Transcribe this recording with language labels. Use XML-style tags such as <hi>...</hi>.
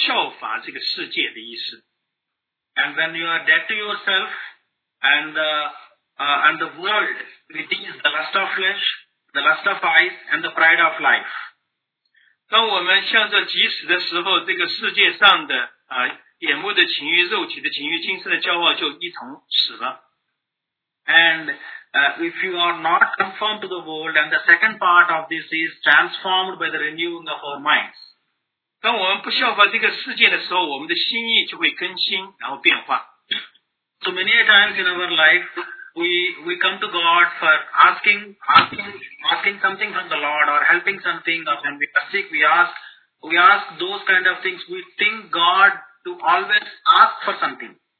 <zh>这个所谓的活祭实际上在第二节有解释，就是说不要效法这个世界的意思。</zh> <en>And when you are dead to yourself, and the world, it is the lust of flesh, the lust of eyes, and the pride of life.</en> <zh>当我们向着即死的时候，这个世界上的眼目的情欲、肉体的情欲、今生的骄傲就一同死了。</zh> <en>And if you are not conformed to the world, and the second part of this is transformed by the renewing of our minds.</en> <zh>当我们不效法这个世界的时候，我们的心意就会更新，然后变化。</zh> <en>So many times in our life, we come to God for asking something from the Lord or helping something, or when we are sick, we ask those kind of things. We think God to always ask for something.</en>